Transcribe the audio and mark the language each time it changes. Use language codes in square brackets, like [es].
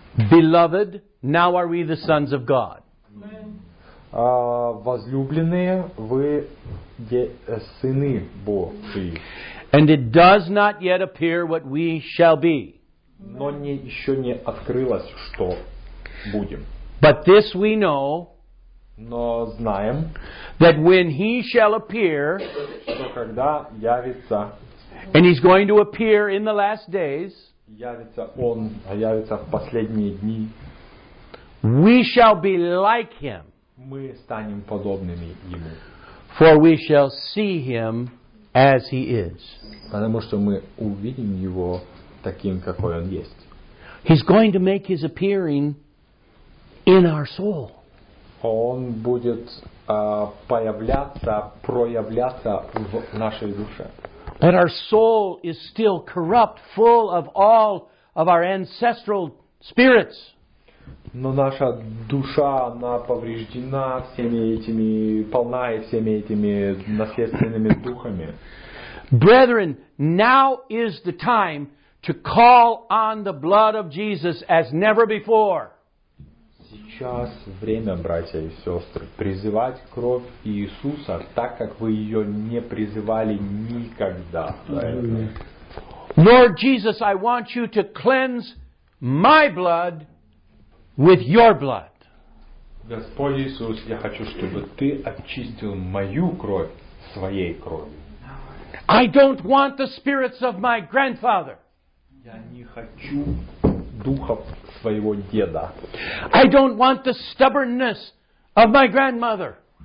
[en] Beloved, now are we the sons of God. [ru] возлюбленные, вы сыны Божьи. [en] And it does not yet appear what we shall be. [ru] Но не, еще не открылось, что будем. [en] But this we know, [ru] но знаем, [en] that when he shall appear, [ru] что когда явится, [en] and he's going to appear in the last days, [ru] явится он, а явится в последние дни, [en] we shall be like him. [ru] Мы станем подобными ему. [en] For we shall see him as he is. [ru] Потому что мы увидим его таким, какой он есть. [en] He's going to make his appearing in our soul. [ru] Он будет появляться, проявляться в нашей душе. [en] But our soul is still corrupt, full of all of our ancestral spirits. [ru] Но наша душа, она повреждена всеми этими, полна всеми этими наследственными духами. [en] Brethren, now is the time to call on the blood of Jesus as never before. [ru] Сейчас время, братья и сестры, призывать кровь Иисуса так, как вы ее не призывали никогда. [en] Lord Jesus, I want you to cleanse my blood with your blood. [ru] Господь Иисус, я хочу, чтобы ты очистил мою кровь своей кровью. [en] I don't want the spirits of my grandfather. [ru] Я не хочу духов своего деда. [en] I don't want the stubbornness of my grandmother.